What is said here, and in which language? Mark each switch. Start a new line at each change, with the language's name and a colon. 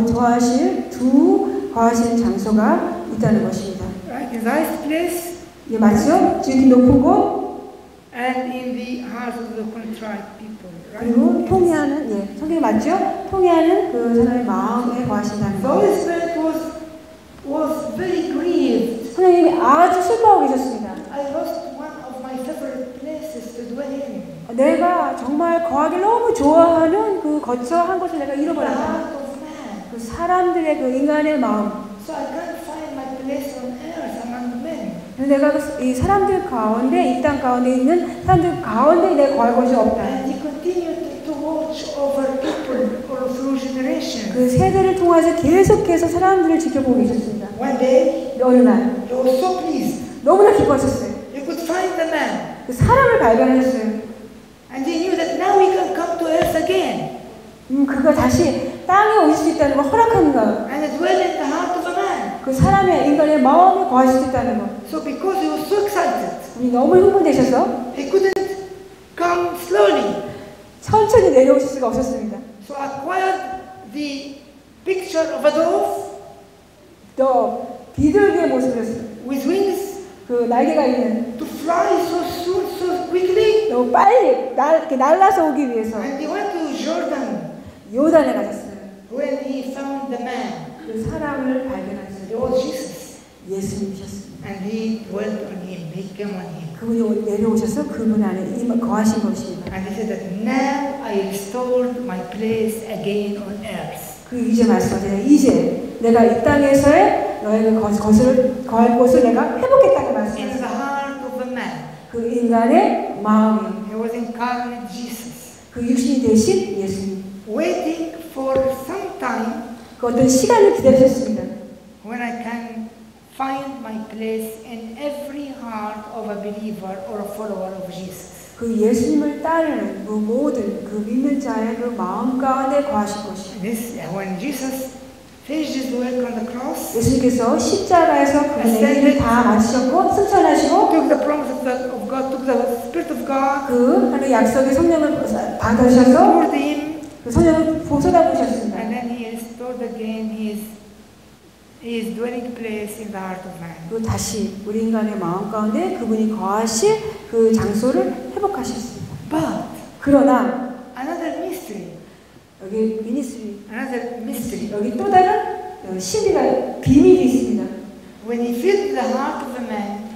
Korean: 거하실 두 거하실 장소가 있다는 것입니다.
English: Right, in the highest place.
Korean: 예, 맞죠? 지극히 높은 곳.
English: And in the heart of the contrite people. Right?
Korean: 그리고 통회하는 예, 성경 맞죠? 통회하는 그 사람의 마음에 거하신다는 것.
English: The Holy Spirit was very grieved.
Korean: 성령님이 아주 슬퍼하고 계셨습니다.
English: I lost one of my favorite places to dwell in.
Korean: 내가 정말 거하길 너무 좋아하는 그 거처 한 곳을 내가 잃어버렸다. 그 사람들의 그 인간의 마음.
English: So I can't find my place on earth among men.
Korean: 내가 이 사람들 가운데 이 땅 가운데 있는 사람들 가운데 내 거할 곳이 없다.
English: And he continued to watch over people for through generations.
Korean: 그 세대를 통해서 계속해서 사람들을 지켜보고 계셨습니다.
English: One day,
Korean: 어느 날,
English: he was so pleased.
Korean: 너무나 기뻐하셨어요.
English: He could find the man.
Korean: 그 사람을 발견하셨어요.
English: And he knew that now he can come to earth again.
Korean: 그가 다시 땅에 오실 수 있다는 걸 허락하는 것.
English: And dwell in the heart of a man.
Korean: 그 사람의 인간의 마음을 거할 수 있다는 것.
English: So because he was so excited.
Korean: 너무 흥분되셔서.
English: He couldn't come
Korean: 천천히 내려오실 수가 없었습니다.
English: So I acquired the picture of a dove.
Korean: 더 비둘기의 모습을
English: with wings.
Korean: 그 날개가 있는.
English: To fly so soon, so quickly.
Korean: 너무 빨리 이렇게 날라서 오기 위해서.
English: And he went to Jordan.
Korean: 요단에 가셨어요.
English: When he found the man.
Korean: 그 사람을 발견하셨어요.
English: It was Jesus.
Korean: 예수님이셨습니다.
English: And he dwelt on him, he came on him.
Korean: 그분이 내려오셔서 그분 안에 임 거하신 것입니다.
English: And he said that now I restored my place again on earth.
Korean: 그 이제 말씀하세요. 이제 내가 이 땅에서의 너희는 거할 곳을 내가 회복했다는 말씀.
English: In the heart of a man.
Korean: 그 인간의 마음이.
English: He was incarnate Jesus.
Korean: 그 육신이 되신 예수님.
English: Waiting for some time.
Korean: 그 어떤 시간을 기다리셨습니다.
English: When I can find my place in every heart of a believer or a follower of Jesus.
Korean: 그 예수님을 따르는 그 모든 그 믿는 자의 그 마음 가운데 거하실 것이.
English: This when Jesus. His work on the cross.
Korean: 예수께서 십자가에서 그 내기를 다 마치셨고 승천하시고
English: took the promise of God, took the spirit of God.
Korean: 그 하늘 약속의 성령을 받으셔서 그 성령을 보소다 보셨습니다.
English: And then he restored again his dwelling place in the heart of man.
Korean: 그 다시 우리 인간의 마음 가운데 그분이 거하실 그 장소를 회복하셨습니다.
English: But
Korean: 그러나
English: another mystery.
Korean: 여기 미니스트리
English: another mystery.
Korean: 여기 또 다른 신비가 비밀이 있습니다.
English: When he filled the heart of the man,